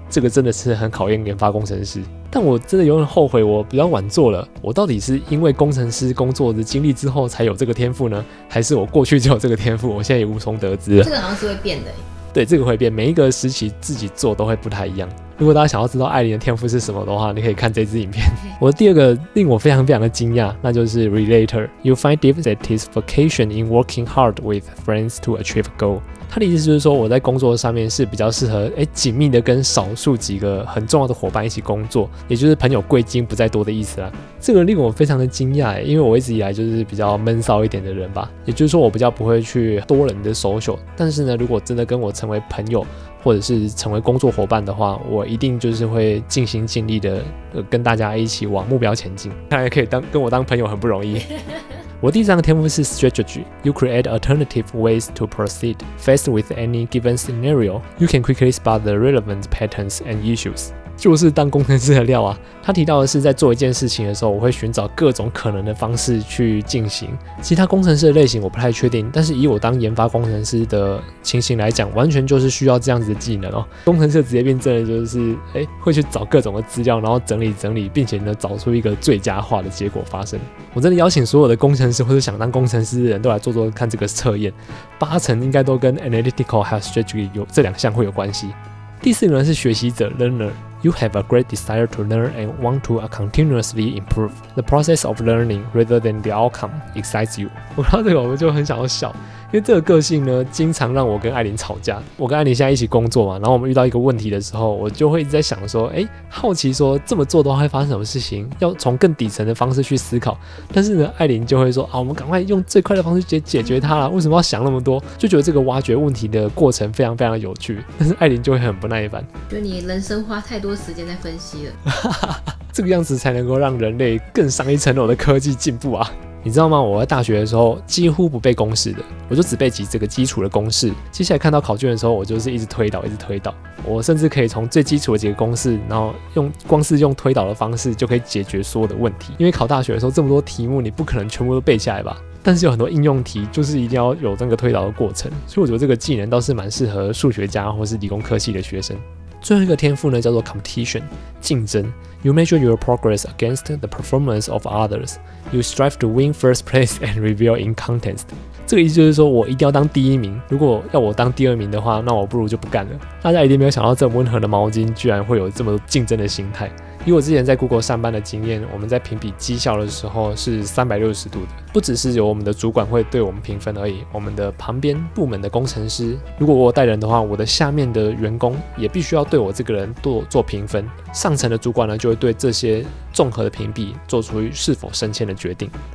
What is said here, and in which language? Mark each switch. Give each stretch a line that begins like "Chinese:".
Chinese: 这个真的是很考验研发工程师。但我真的有点后悔，我比较晚做了。我到底是因为工程师工作的经历之后才有这个天赋呢，还是我过去就有这个天赋？我现在也无从得知了。这个好像是会变的。对，这个会变，每一个时期自己做都会不太一样。如果大家想要知道艾琳的天赋是什么的话，你可以看这支影片。我的第二个令我非常非常的惊讶，那就是 Relator。
English: You find deep satisfaction in working hard with friends to achieve a goal。
Chinese: 他的意思就是说，我在工作上面是比较适合紧密的跟少数几个很重要的伙伴一起工作，也就是朋友贵精不在多的意思啦。这个令我非常的惊讶，因为我一直以来就是比较闷骚一点的人吧，也就是说我比较不会去多人的 social， 但是呢如果真的跟我成为朋友或者是成为工作伙伴的话，我一定就是会尽心尽力的跟大家一起往目标前进。看来可以跟我当朋友很不容易。我第三个天赋是
English: strategy。You create alternative ways to proceed faced with any given scenario. You can quickly spot the relevant patterns and issues。
Chinese: 就是当工程师的料啊。他提到的是，在做一件事情的时候，我会寻找各种可能的方式去进行。其他工程师的类型我不太确定，但是以我当研发工程师的情形来讲，完全就是需要这样子的技能哦。工程师的职业病真的就是，会去找各种的资料，然后整理整理，并且呢，找出一个最佳化的结果发生。我真的邀请所有的工程师或者想当工程师的人都来做做看这个测验，八成应该都跟 analytical 还有 strategy 有这两项会有关系。第四个人是学习者 learner。
English: You have a great desire to learn and want to continuously improve. The process of learning rather than the outcome excites you.
Chinese: 我看到这个我就很想要笑，因为这个个性呢经常让我跟艾琳吵架。我跟艾琳现在一起工作嘛，然后我们遇到一个问题的时候，我就会一直在想说，好奇说这么做的话会发生什么事情，要从更底层的方式去思考。但是呢艾琳就会说啊，我们赶快用最快的方式解决它啦，为什么要想那么多，就觉得这个挖掘问题的过程非常非常有趣。但是艾琳就会很不耐烦，就你人生花太多时间在分析了。这个样子才能够让人类更上一层楼的科技进步啊。你知道吗？我在大学的时候几乎不背公式的，我就只背几这个基础的公式。接下来看到考卷的时候，我就是一直推导，一直推导。我甚至可以从最基础的几个公式，然后用推导的方式就可以解决所有的问题。因为考大学的时候这么多题目，你不可能全部都背下来吧？但是有很多应用题，就是一定要有那个推导的过程。所以我觉得这个技能倒是蛮适合数学家或是理工科系的学生。最后一个天赋呢，叫做 competition， 竞争。
English: You measure your progress against the performance of others. You strive to win first place and reveal in contest.
Chinese: 这个意思就是说我一定要当第一名，如果要我当第二名的话，那我不如就不干了。大家一定没有想到这温和的毛巾居然会有这么竞争的心态。以我之前在 Google 上班的经验，我们在评比绩效的时候是360度的，不只是由我们的主管会对我们评分而已，我们的旁边部门的工程师，如果我带人的话，我的下面的员工也必须要对我这个人做评分，上层的主管呢就会对这些综合的评比做出是否升迁的决定。